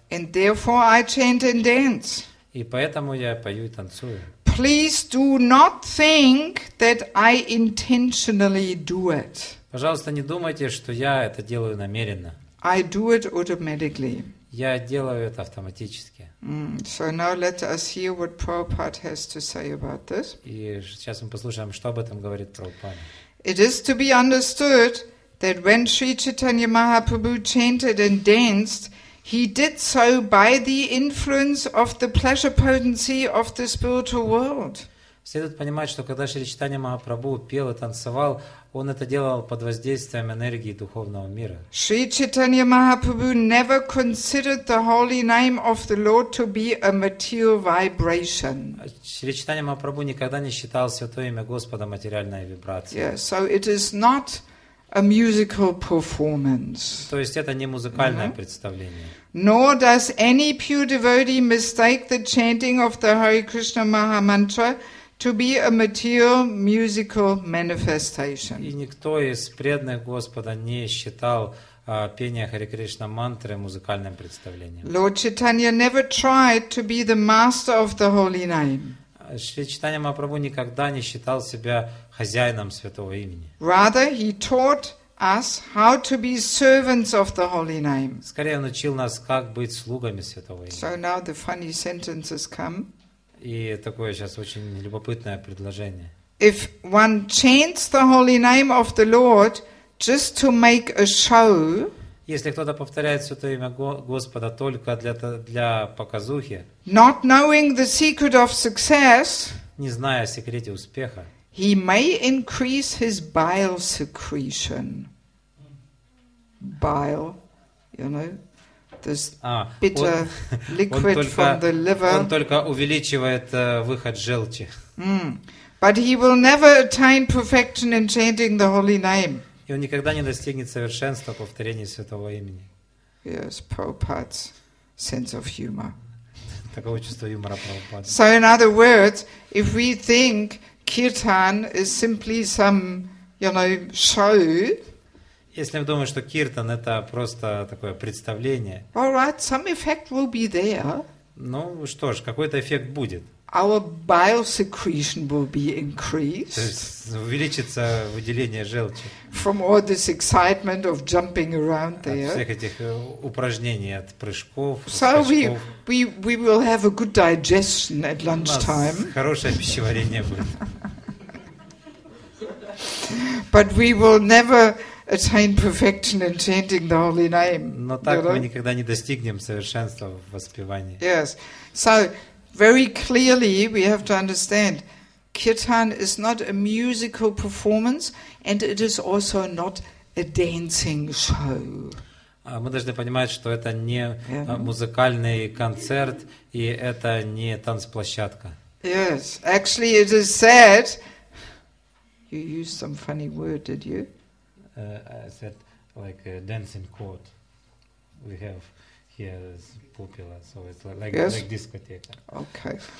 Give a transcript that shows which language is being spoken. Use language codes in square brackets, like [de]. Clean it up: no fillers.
[en] And therefore I chant and dance. [ru] И поэтому я пою и танцую. [en] Please do not think that I intentionally do it. [ru] Пожалуйста, не думайте, что я это делаю намеренно. [en] I do it automatically. [ru] Я делаю это автоматически. [en] So now let us hear what Prabhupada has to say about this. [ru] И сейчас мы послушаем, что об этом говорит Прабхупада. [en] It is to be understood that when Sri Chaitanya Mahaprabhu chanted and danced, he did so by the influence of the pleasure potency of the spiritual world. [ru] Следует понимать, что когда Шри Чайтанья Махапрабху пел и танцевал, он это делал под воздействием энергии духовного мира. [en] Шри Чайтанья Махапрабху never considered the holy name of the Lord to be a material vibration. [ru] Шри Чайтанья Махапрабху никогда не считал святое имя Господа материальной вибрацией. [en] Yeah, so it is not a musical performance. [ru] То есть это не музыкальное представление. [en] Nor does any pure devotee mistake the chanting of the Hare Krishna Maha Mantra to be a material musical manifestation. [ru] И никто из преданных Господа не считал пение Хари Кришна мантры музыкальным представлением. [en] Lord Chaitanya never tried to be the master of the holy name. [ru] Шри Чайтанья Махапрабху никогда не считал себя хозяином святого имени. [en] Rather, he taught us how to be servants of the holy name. [ru] Скорее, он учил нас, как быть слугами святого имени. [en] So now the funny sentences come. [ru] И такое сейчас очень любопытное предложение. [en] If one chants the holy name of the Lord just to make a show, [ru] если кто-то повторяет святое имя Господа только для показухи, [en] not knowing the secret of success, [ru] не зная о секрете успеха, [en] he may increase his bile secretion. bile, you know, this bitter liquid from the liver. [ru] Он только увеличивает выход желчи. [en] But he will never attain perfection in chanting the holy name. [ru] И он никогда не достигнет совершенства в повторении святого имени. [en] Yes, Prabhupada's sense of humor. [ru] Такого чувства юмора Прабхупады. [en] So in other words, if we think kirtan is simply some, you know, show. [ru] Если мы думаем, что киртан это просто такое представление. [en] All right, some effect will be there. [ru] Ну что ж, какой-то эффект будет. [en] Our bile secretion will be increased. [ru] То есть увеличится выделение желчи. [en] From all this excitement of jumping around there. [ru] От всех этих упражнений, от прыжков. [en] So we will have a good digestion at lunchtime. [ru] У нас хорошее пищеварение будет. [en] But we will never attain perfection in chanting the holy name. [ru] Но так мы никогда не достигнем совершенства в воспевании. [en] Yes. So very clearly we have to understand kirtan is not a musical performance and it is also not a dancing show. [ru] Мы должны понимать, что это не музыкальный концерт и это не танцплощадка. [en] Yes. Actually it is said, you used some funny word, did you? I said, like a dancing court we have here is popular, so it's like, yes. Like discotheque. Okay.